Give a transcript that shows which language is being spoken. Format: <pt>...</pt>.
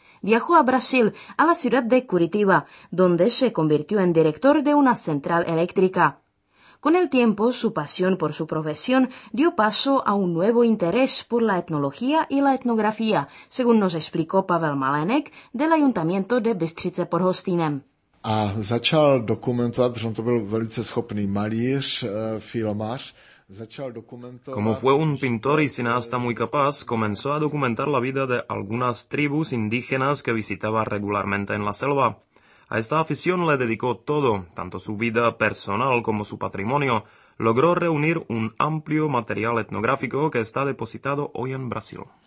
<es>Viajó a Brasil, a la ciudad de Curitiba, donde se convirtió en director de una central eléctrica. Con el tiempo, su pasión por su profesión dio paso a un nuevo interés por la etnología y la etnografía, según nos explicó Pavel Malenek del Ayuntamiento de Bystrice pod Hostinem.</es> <cs>A začal dokumentovat, že on to byl velice schopný malíř, filmář.</cs> <es>Como fue un pintor y cineasta muy capaz, comenzó a documentar la vida de algunas tribus indígenas que visitaba regularmente en la selva. A esta afición le dedicó todo, tanto su vida personal como su patrimonio. Logró reunir un amplio material etnográfico que está depositado hoy en Brasil.</es>